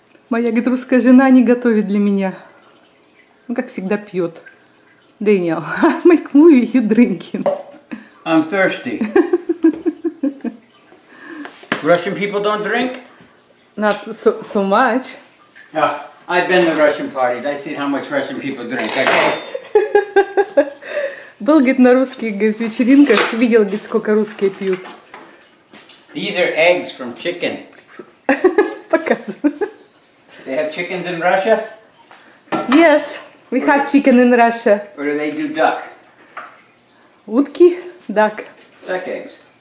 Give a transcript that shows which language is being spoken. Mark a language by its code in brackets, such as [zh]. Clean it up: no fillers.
[ru] Моя, говорит, русская жена не готовит для меня. Ну, как всегда, пьет. [en] Daniel, I make movie, you drinking. I'm thirsty. Russian people don't drink? Not so much. Oh, I've been to Russian parties. I see how much Russian people drink. [ru] Был, говорит, на русских вечеринках, видел, говорит, сколько русские пьют. [en] These are eggs from chicken. [ru] Показывай. [en] They have chickens in Russia? Yes, we have chicken in Russia. Or do they do duck? [ru] Утки, [en] duck. Duck eggs.